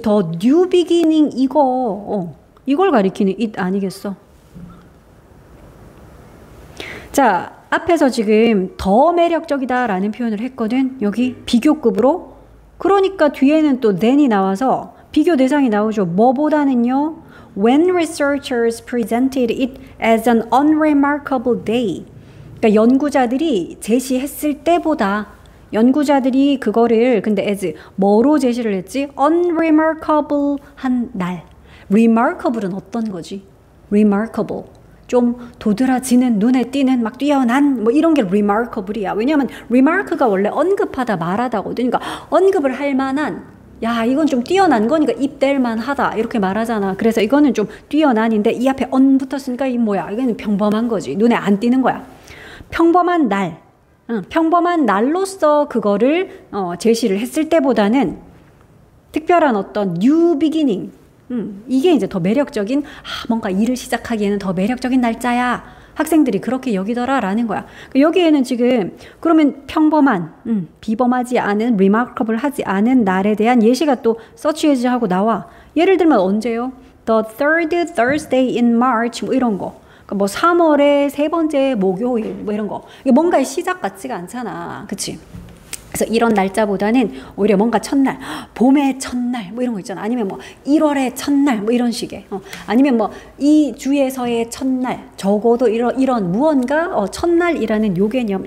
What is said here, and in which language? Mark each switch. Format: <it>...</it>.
<ko>더</ko> <en>new beginning</en> <ko>이거. 이걸 가리키는 it 아니겠어? 자. 앞에서 지금 더 매력적이다라는 표현을 했거든. 여기 비교급으로. 그러니까 뒤에는 또 then이 나와서 비교 대상이 나오죠. 뭐보다는요?</ko> <en>When researchers presented it as an unremarkable day.</en> <ko>그러니까 연구자들이 제시했을 때보다 연구자들이 그거를 근데 as 뭐로 제시를 했지? Unremarkable한 날. Remarkable은 어떤 거지? Remarkable. 좀 도드라지는 눈에 띄는 막 뛰어난 뭐 이런 게 remarkable이야. 왜냐면 remark가 원래 언급하다 말하다거든. 그러니까 언급을 할 만한 야 이건 좀 뛰어난 거니까 입댈 만하다 이렇게 말하잖아. 그래서 이거는 좀 뛰어난인데 이 앞에 언 붙었으니까 이 뭐야 이건 평범한 거지. 눈에 안 띄는 거야. 평범한 날. 평범한 날로서 그거를 제시를 했을 때보다는 특별한 어떤</ko> <en>new beginning.</en> <ko>이게 이제 더 매력적인, 뭔가 일을 시작하기에는 더 매력적인 날짜야. 학생들이 그렇게 여기더라라는 거야. 여기에는 지금, 그러면 평범한, 비범하지 않은, remarkable 하지 않은 날에 대한 예시가 또 such as 하고 나와. 예를 들면 언제요?</ko> <en>The third Thursday in March,</en> <ko>뭐 이런 거. 그러니까 뭐 3월의 세 번째 목요일, 뭐 이런 거. 이게 뭔가의 시작 같지가 않잖아. 그치? 그래서 이런 날짜보다는 오히려 뭔가 첫날, 봄의 첫날, 뭐 이런 거 있잖아. 아니면 뭐 1월의 첫날, 뭐 이런 식의. 아니면 뭐이 주에서의 첫날, 적어도 이런 무언가, 첫날이라는 요 개념.</ko>